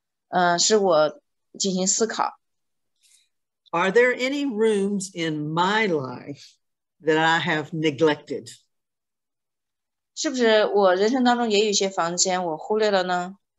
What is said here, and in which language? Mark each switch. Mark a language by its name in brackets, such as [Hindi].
[Chinese] 打扫我的游戏房子，使我进行思考。 [English] Are there any rooms in my life that I have neglected? [Chinese] 是不是我人生当中也有些房间我忽略了呢？